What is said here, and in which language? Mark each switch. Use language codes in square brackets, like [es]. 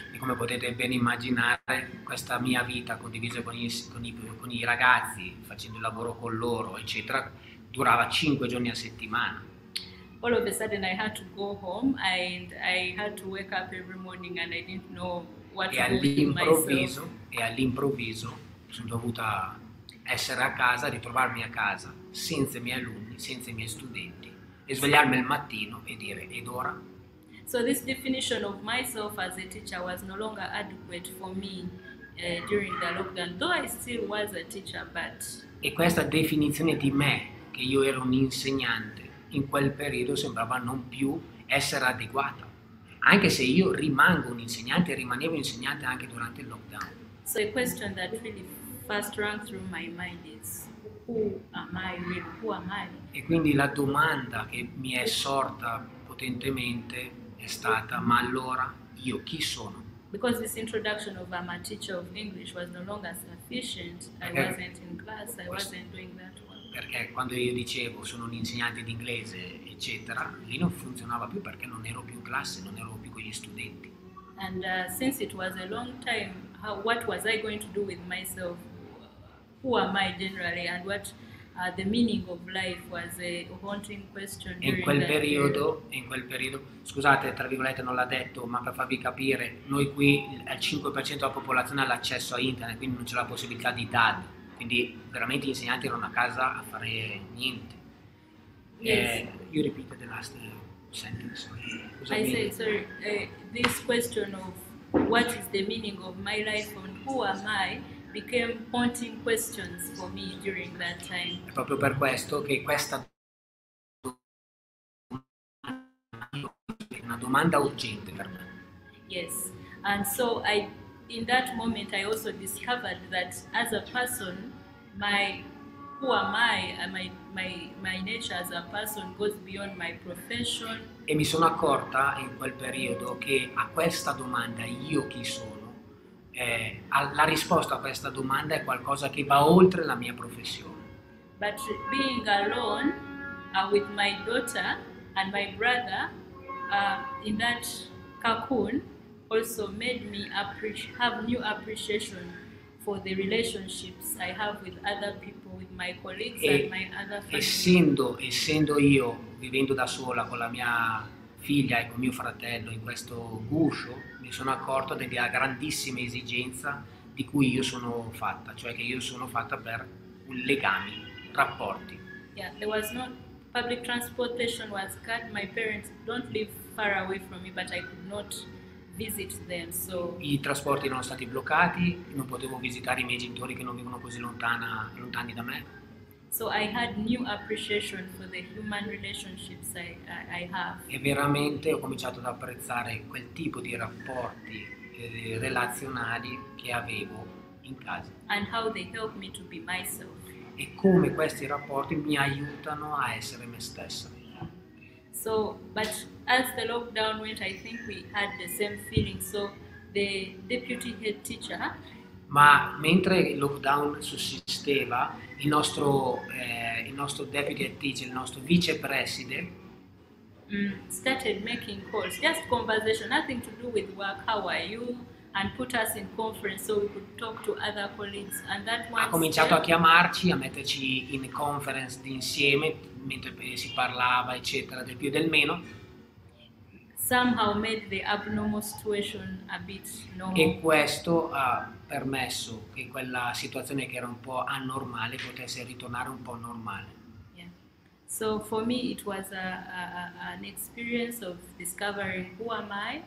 [it] E come potete ben immaginare, questa mia vita condivisa con i ragazzi, facendo il lavoro con loro, eccetera, durava 5 giorni a settimana. [en] All of a sudden I had to go home and I had to wake up every morning and I didn't know what to do with myself. [it] E all'improvviso sono dovuta essere a casa, ritrovarmi a casa senza i miei alunni, senza i miei studenti e svegliarmi al mattino e dire ed ora? [en] So this definition of myself as a teacher was no longer adequate for me during the lockdown, though I still was a teacher, but... [it] E questa definizione di me, che io ero un insegnante, in quel periodo sembrava non più essere adeguata. Anche se io rimango un insegnante, rimanevo insegnante anche durante il lockdown. [en] So a question that really first rang through my mind is, who am I really? Who am I? [it] E quindi la domanda che mi è sorta potentemente è stata, ma allora io chi sono? [en] Because this introduction of I'm a teacher of English was no longer sufficient. [it] Perché? [en] I wasn't in class, I wasn't doing that one. [it] Perché quando io dicevo sono un insegnante di inglese, eccetera, lì non funzionava più perché non ero più in classe, non ero più con gli studenti. [en] And since it was a long time, how, what was I going to do with myself? Who am I generally? And what the meaning of life was a haunting question. [it] In quel periodo, scusate, tra virgolette non l'ha detto, ma per farvi capire, noi qui il 5% della popolazione ha l'accesso a internet, quindi non c'è la possibilità di DAD. Quindi veramente gli insegnanti erano a casa a fare niente. [en] Yes. You repeat the last sentence. This question of what is the meaning of my life and who am I became haunting questions for me during that time. [it] È proprio per questo che questa è una domanda urgente per me. [en] Yes, and so I, in that moment, I also discovered that as a person, my who am I, my nature as a person goes beyond my profession. [it] E mi sono accorta in quel periodo che a questa domanda, io chi sono, la risposta a questa domanda è qualcosa che va oltre la mia professione. [en] But being alone with my daughter and my brother in that cocoon also made me have new appreciation for the relationships I have with other people, with my colleagues and my other family. [it] Essendo io vivendo da sola con la mia figlia e con mio fratello in questo guscio, mi sono accorto della grandissima esigenza di cui io sono fatta, cioè che io sono fatta per legami, rapporti. [en] Yeah, there was no public transportation was cut. My parents don't live far away from me, but I could not visit them, so... [it] I trasporti erano stati bloccati, non potevo visitare i miei genitori che non vivono così lontani da me. [en] So I had new appreciation for the human relationships I have. [it] E veramente ho cominciato ad apprezzare quel tipo di rapporti relazionali che avevo in casa. [en] And how they help me to be myself. [it] E come questi rapporti mi aiutano a essere me stessa. [en] So, but as the lockdown went, I think we had the same feeling. So the deputy head teacher. [it] Ma mentre il lockdown sussisteva, il nostro deputy head teacher, il nostro vice preside, [en] started making calls, just conversation, nothing to do with work. How are you? And put us in conference so we could talk to other colleagues. And that one. [it] Ha cominciato a chiamarci, a metterci in conference d'insieme. Mentre si parlava, eccetera, del più e del meno. [en] Somehow made the abnormal situation a bit normal. [it] E questo ha permesso che quella situazione che era un po' anormale potesse ritornare un po' normale. [en] Yeah. So for me it was an experience of discovering who am I.